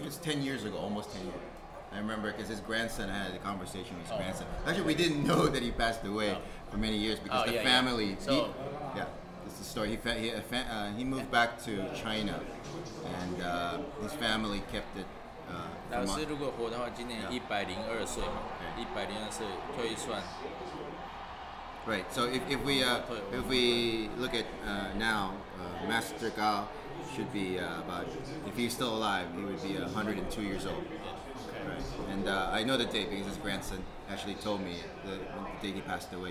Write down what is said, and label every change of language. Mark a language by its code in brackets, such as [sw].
[en] It's 10 years ago, almost 10 years. I remember because his grandson had a conversation with his grandson. Actually, we didn't know that he passed away for many years because the family. This is the story. He moved back to China and his family kept it. [zh] 老师如果活的话，今年102岁嘛，102岁推算。 [en] Right, so if we look at now, Master Gao should be about, if he's still alive, he would be 102 years old. Right. And I know the date because his grandson actually told me the date he passed away.